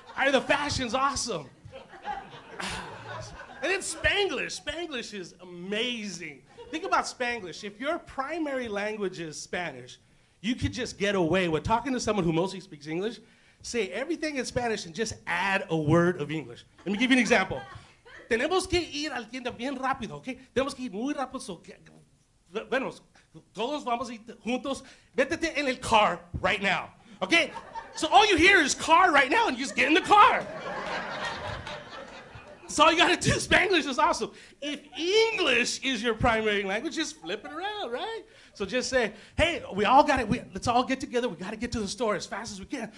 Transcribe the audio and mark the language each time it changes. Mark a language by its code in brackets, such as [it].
[en] The fashion's awesome. And then Spanglish. Spanglish is amazing. Think about Spanglish. If your primary language is Spanish, you could just get away with talking to someone who mostly speaks English, say everything in Spanish and just add a word of English. Let me give you an example. [es] Tenemos que ir al tienda bien rápido, okay? Tenemos que ir muy rápido, so venos, todos vamos juntos, vete en el [en] car right now, [es] okay? [en] So all you hear is car right now, and you just get in the car. That's all you gotta do. Spanglish is awesome. If English is your primary language, just flip it around, right? So just say, hey, let's all get together. We gotta get to the store as fast as we can.